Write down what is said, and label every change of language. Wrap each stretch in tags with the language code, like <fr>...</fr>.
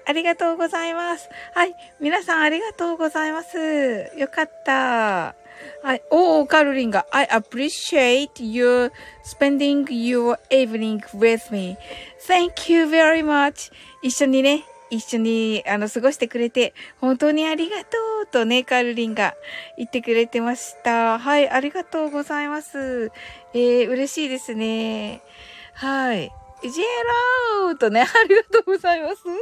<ja>ありがとうございます。はい、皆さんありがとうございます。よかった。はい、おー、カロリンが</ja> <en>I appreciate you spending your evening with me. Thank you very much.</en> <ja>一緒にね、一緒に過ごしてくれて本当にありがとうとね、カルリンが言ってくれてました。はい、ありがとうございます。嬉しいですね。はい、ジェローとね、ありがとうございます。</ja>